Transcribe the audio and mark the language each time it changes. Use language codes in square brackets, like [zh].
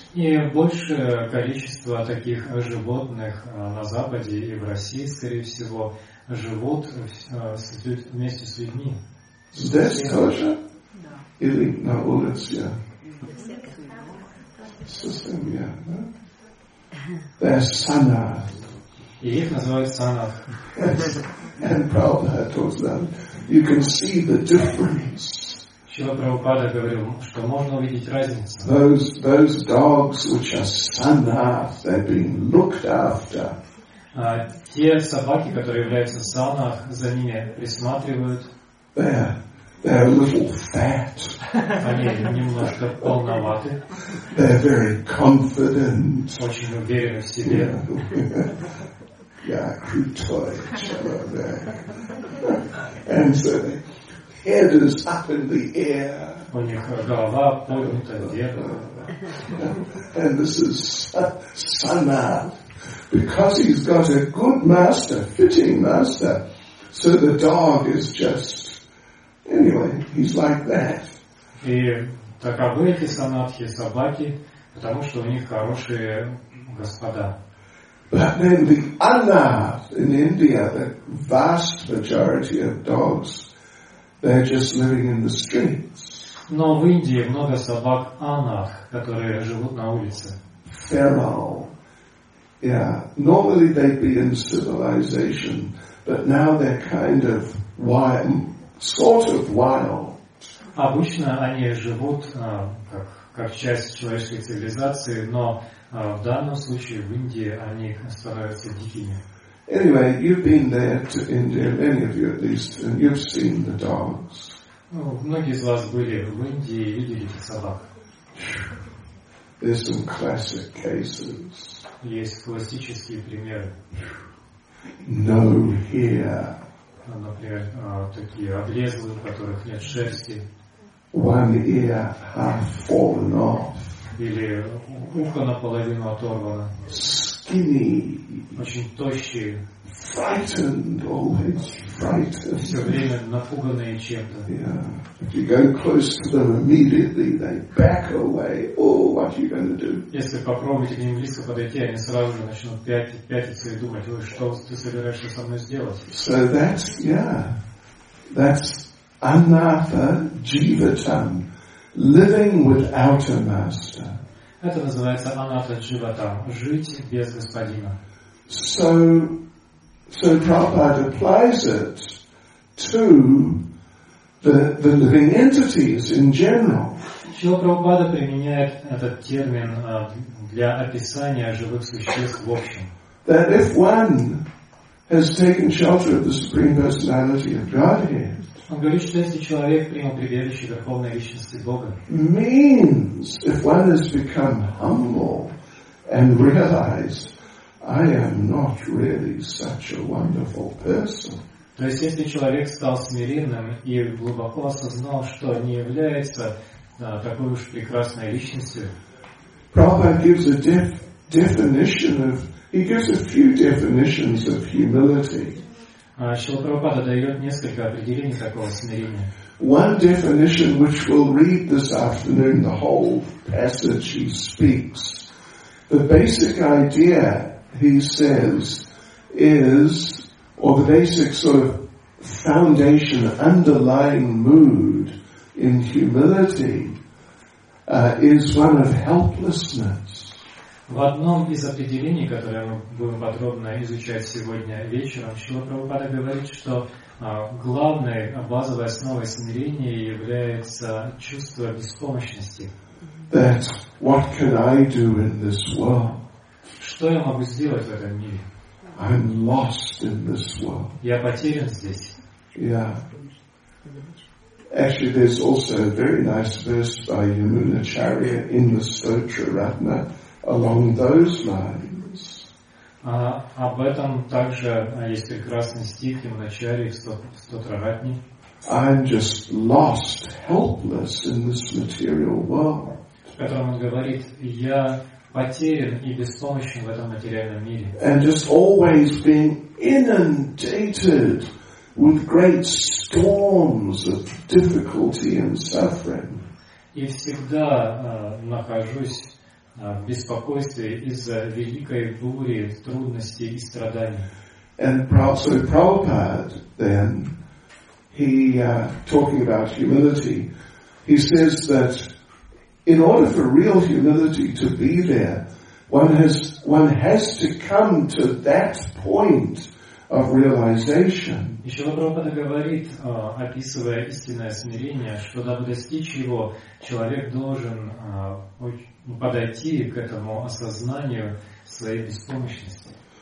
[ru] И большее количество таких животных на Западе и в России, скорее всего, живут вместе с людьми. Здесь тоже? Или на улице. Совсем я, да? [en] They're sanath. [ru] И их называют sanath. [en] And Prabhupada talks about you can see the difference. [ru] Шрила Прабхупада говорил, что можно увидеть разницу. [en] Those dogs which are sanath, they're being looked after. [ru] Те собаки, которые являются sanath, за ними присматривают. [en] There. They're a little fat. [ru] Они немножко полноваты. [en] They're very confident. [ru] Очень уверены в себе. Yeah, крутой человек. [en] And so head is up in the air. [ru] У них голова поднята вверх. [en] And this is sanath. Because he's got a good master, fitting master, so the dog is just anyway, he's like that. [ru] И таковы эти санатхи собаки, потому что у них хорошие господа. [en] But then the anath in India, the vast majority of dogs, they're just living in the streets. [ru] Но в Индии много собак анах, которые живут на улице. [en] Feral. Yeah. Normally they'd be in civilization, but now they're kind of wild. Sort of wild. [ru] Обычно они живут как часть человеческой цивилизации, но в данном случае в Индии они становятся дикими. [en] Anyway, you've been there to India, many of you at least, and you've seen the dogs. [ru] Многие из вас были в Индии и видели этих собак. [en] There's some classic cases. [ru] Есть классические примеры. [en] No hair. [ru] Например, такие обрезанные, у которых нет шерсти. [en] One ear half fallen off. [ru] Или ухо наполовину оторвано. [en] Skinny. [ru] Очень тощие. [en] Frightened, always frightened. [ru] Все время напуганные чем-то. [en] Yeah. If you go close to them immediately, they back away. Oh, what are you going to do? [ru] Если попробуйте к ним близко подойти, они сразу же начнут пятиться и думать, ой, что ты собираешься со мной сделать? [en] So that's, yeah, that's anatha jivatam, living without a master. [ru] Это называется anatha jivatam, жить без господина. [en] So Prabhupada applies it to the living entities in general. [ru] Шрила Прабхупада применяет этот термин для описания живых существ в общем. [en] That if one has taken shelter of the Supreme Personality of Godhead, [ru] он говорит, что если человек принял прибежище Верховной Личности Бога, [en] means, if one has become humble and realized, I am not really such a wonderful person. [ru] То есть, если человек стал смиренным и глубоко осознал, что не является такой уж прекрасной личностью, [en] Prabhupada gives a definition of, he gives a few definitions of humility. [ru] Шрила Прабхупада дает несколько определений такого смирения. [en] One definition, which we'll read this afternoon, the whole passage he speaks. The basic idea, he says, is, or the basic sort of foundation, underlying mood in humility, is one of helplessness. [ru] В одном из определений, которое мы будем подробно изучать сегодня вечером, Шрила Прабхупада говорит, что главной, базовой основой смирения является чувство беспомощности. [en] That what can I do in this world? [ru] Что я могу сделать в этом мире? [en] I'm lost in this world. [ru] Я потерян здесь. [en] Yeah. Actually, there's also a very nice verse by Yamunacharya in the Stotra Ratna along those lines. [ru] Об этом также есть прекрасный стих Yamunacharya в Стотра Ратне. [en] I'm just lost, helpless in this material world. [ru] В котором он говорит, я потерян и беспомощен в этом материальном мире. [en] And just always being inundated with great storms of difficulty and suffering. [ru] И всегда нахожусь в беспокойстве из-за великой бури, трудностей и страданий. [en] And so Prabhupada then, talking about humility, he says that in order for real humility to be there, one has to come to that point of realization. [ru] Шрила Прабхупада говорит, описывая истинное смирение, что дабы достичь его, человек должен подойти к этому осознанию своей беспомощности.